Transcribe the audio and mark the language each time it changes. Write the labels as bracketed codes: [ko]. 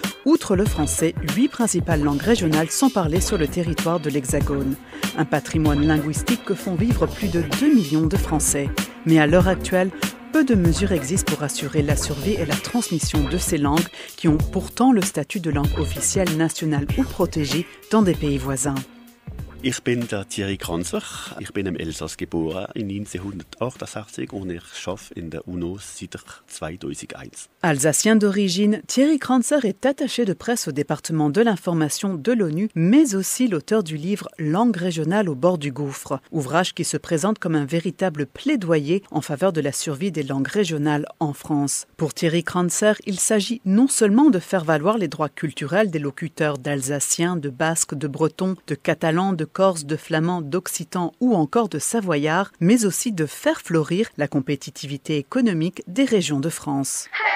[fr] Outre le français, 8 principales langues régionales sont parlées sur le territoire de l'Hexagone. Un patrimoine linguistique que font vivre plus de 2 millions de Français. Mais à l'heure actuelle, peu de mesures existent pour assurer la survie et la transmission de ces langues qui ont pourtant le statut de langue officielle, nationale ou protégée dans des pays voisins. [de] Ich bin der Thierry Kranzer. Ich bin im Elsass geboren in 1988 und ich schaffe in der UNO seit 2001. [fr] Alsacien d'origine, Thierry Kranzer est attaché de presse au département de l'information de l'ONU, mais aussi l'auteur du livre « Langue régionale au bord du gouffre », ouvrage qui se présente comme un véritable plaidoyer en faveur de la survie des langues régionales en France. Pour Thierry Kranzer, il s'agit non seulement de faire valoir les droits culturels des locuteurs d'Alsaciens, de Basques, de Bretons, de Catalans, de Corses, de Flamands, d'Occitans ou encore de Savoyards, mais aussi de faire fleurir la compétitivité économique des régions de France.